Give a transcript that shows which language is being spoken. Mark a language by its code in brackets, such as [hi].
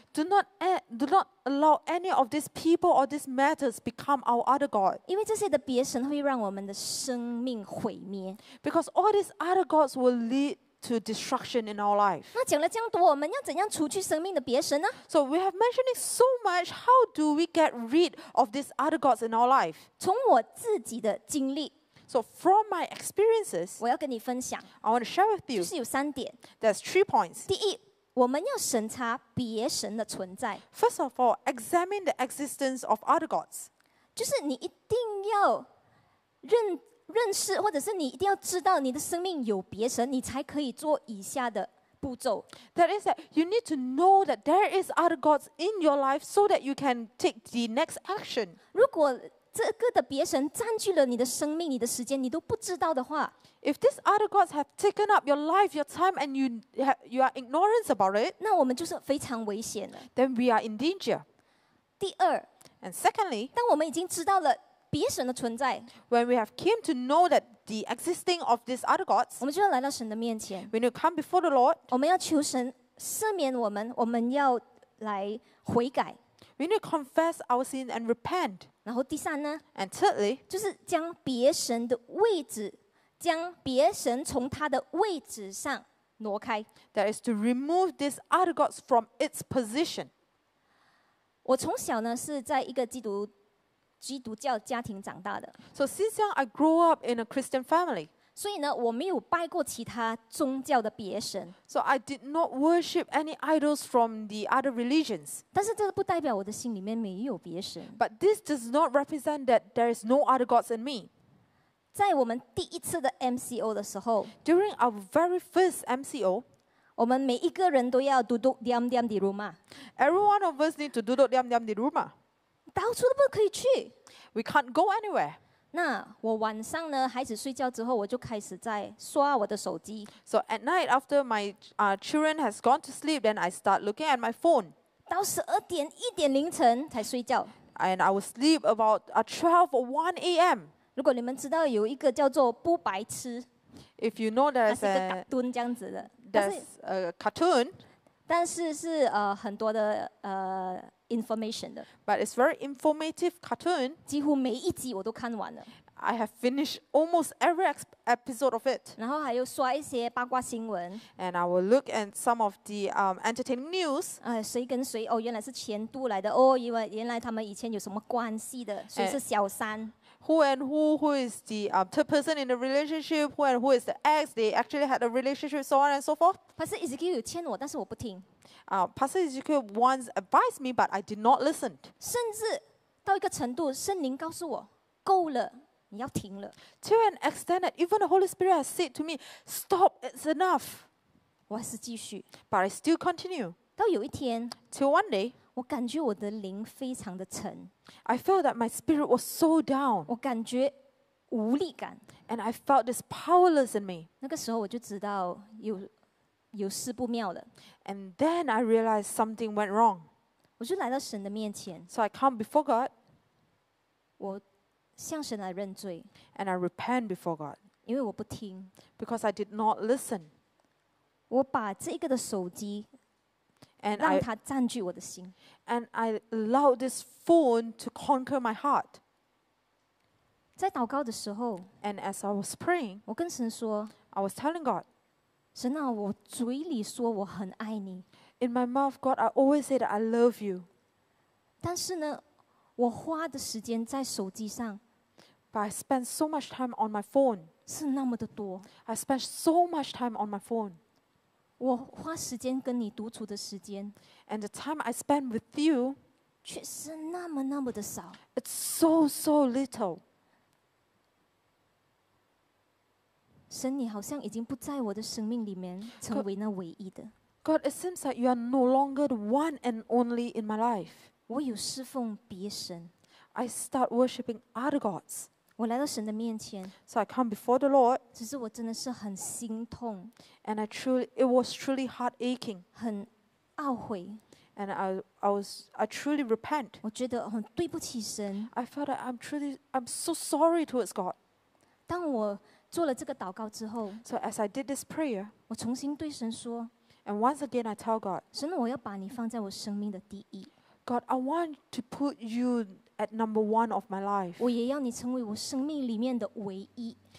[en] Do not allow any of these people or these matters become our other god. [zh] 因为这些的别神会让我们的生命毁灭。 [en] Because all these other gods will lead to destruction in our life. [zh] 那讲了这样多，我们要怎样除去生命的别神呢 [en] ？So we have mentioned it so much. How do we get rid of these other gods in our life? [zh] 从我自己的经历。 [en] So from my experiences, [zh] 我要跟你分享 [en] I want to share with you, [zh] 就是有三点 [en] There's three points. [zh] 第一，我们要审查别神的存在 [en] First of all, examine the existence of other gods. [zh] 就是你一定要认识或者是你一定要知道你的生命有别神你才可以做以下的步骤 [en] That is that you need to know that there is other gods in your life so that you can take the next action. [zh] 如果这个的别神占据了你的生命、你的时间，你都不知道的话 [en] ，If these other gods have taken up your life, your time, and you are ignorant about it， [zh] 那我们就是非常危险的。 [en] Then we are in danger。 [zh] 第二 [en] ，And secondly， [zh] 当我们已经知道了别神的存在 [en] ，When we have came to know that the existing of these other gods， [zh] 我们就要来到神的面前。 [en] When you come before the Lord， [zh] 我们要求神赦免我们，我们要来悔改。 [en] We need to confess our sin and repent. [zh] 然后第三呢 [en] ？And thirdly, [zh] 就是将别神的位置，将别神从他的位置上挪开。 [en] That is to remove these other gods from its position. [zh] 我从小呢是在一个基督教家庭长大的。 [en] So since young, I grew up in a Christian family. [zh] 所以呢，我没有拜过其他宗教的别神。 [en] So I did not worship any idols from the other religions. [zh] 但是这不代表我的心里面没有别神。 [en] But this does not represent that there is no other gods in me. [zh] 在我们第一次的 MCO 的时候 [en] ，During our very first MCO， [zh] 我们每一个人都要 [ms] duduk diam diam di rumah. [en] Every one of us need to [ms] duduk diam diam di rumah. [zh] 到处都不可以去。 [en] We can't go anywhere. [zh] 那我晚上呢，孩子睡觉之后，我就开始在刷我的手机。 [en] So at night after my children has gone to sleep, then I start looking at my phone. [zh] 到十二点一点凌晨才睡觉。 [en] And I will sleep about 12 or 1 a.m. [zh] 如果你们知道有一个叫做不白痴 [en] ，If you know there's a [zh] cartoon 这样子的 [en] ，There's a cartoon. [zh] 但是是很多的information 的 [en] ，but it's very informative cartoon. [zh] 几乎每一集我都看完了。 [en] I have finished almost every episode of it. [zh] 然后还有刷一些八卦新闻。 [en] And I will look at some of the entertaining news. [zh] 谁跟谁？哦，原来是前度来的。哦，原来他们以前有什么关系的？谁是小三 [en] ？Who and who? Who is the third person in the relationship? Who and who is the ex? They actually had a relationship, so on and so forth. [zh] Pastor Ezekiel 有欠我，但是我不听。 [en] Pastor Ezekiel once advised me, but I did not listen. [zh] 甚至到一个程度，圣灵告诉我够了，你要停了。 [en] To an extent that even the Holy Spirit has said to me, "Stop, it's enough." [zh] 我还是继续。 [en] But I still continue. [zh] 到有一天 [en] ，Till one day, [zh] 我感觉我的灵非常的沉。 [en] I felt that my spirit was so down. [zh] 我感觉无力感。 [en] And I felt this powerless in me. [zh] 那个时候我就知道有事不妙了。 [en] And then I realized something went wrong. [zh] 我就来到神的面前。 [en] So I come before God. [zh] 我向神来认罪。 [en] And I repent before God. [zh] 因为我不听。 [en] Because I did not listen. [zh] 我把这个的手机让它占据我的心。 [en] And I allowed this phone to conquer my heart. [zh] 在祷告的时候 [en] And as I was praying, [zh] 我跟神说 [en] I was telling God, [zh] 神啊，我嘴里说我很爱你。 [en] In my mouth, God, I always say that I love you. [zh] 但是呢，我花的时间在手机上。 [en] But I spend so much time on my phone. [zh] 是那么的多。 [en] I spend so much time on my phone. [zh] 我花时间跟你独处的时间。 [en] And the time I spend with you. [zh] 却是那么那么的少。 [en] It's so, so little. [zh] 神，你好像已经不在我的生命里面成为那唯一的。 [en] God, it seems that you are no longer the one and only in my life. [zh] 我有侍奉别神。 [en] I start worshiping other gods. [zh] 我来到神的面前。 [en] So I come before the Lord. [zh] 只是我真的是很心痛。 [en] And I truly, it was truly heart aching. [zh] 很懊悔。 [en] And I truly repent. [zh] 我觉得很对不起神。 [en] I felt that I'm so sorry towards God. [zh] 当我做了这个祷告之后 [en] ，So as I did this prayer， [zh] 我重新对神说 [en] ，And once again I tell God， [zh] 神，我要把你放在我生命的第一。 [en] God， I want to put you at number one of my life。 [zh] 我也要你成为我生命里面的唯一。